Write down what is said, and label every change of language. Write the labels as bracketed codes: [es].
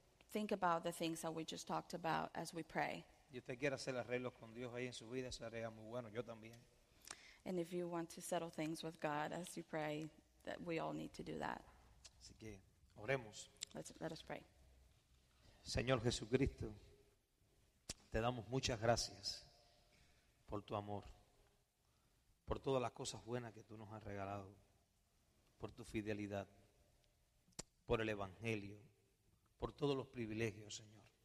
[en] Think about the things that we just talked about as we pray. [es] Y usted quiere hacer arreglos con Dios ahí en su vida, sería muy bueno. Yo también. [en] And if you want to settle things with God as you pray, that we all need to do that. [es] Así que oremos. [en] Let us pray. [es] Señor Jesucristo, te damos muchas gracias por tu amor, por todas las cosas buenas que tú nos has regalado, por tu fidelidad, por el evangelio, por todos los privilegios, Señor.